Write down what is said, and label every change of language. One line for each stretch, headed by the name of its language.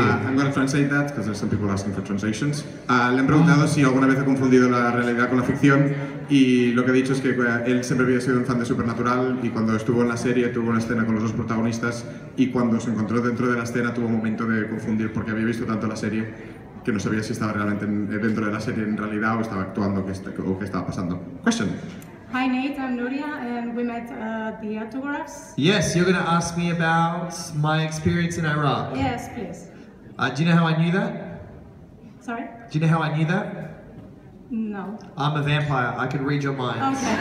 English: I'm going to translate that because there's some people asking for translations.
Spanish: Le han preguntado si alguna vez ha confundido la realidad con la ficción y lo que ha dicho es que él siempre había sido un fan de Supernatural y cuando estuvo en la serie tuvo una escena con los dos protagonistas y cuando se encontró dentro de la escena tuvo un momento de confundir porque había visto tanto la serie que no sabía si estaba realmente dentro de la serie en realidad o estaba actuando o qué estaba pasando.
English: Question. Hi Nate, I'm Nuria, and we met at the autographs. Yes, you're going to ask me about my experience in Iraq. Yes, please. Do you know how I knew that? Sorry? Do you know how I knew that? No. I'm a vampire, I can read your mind.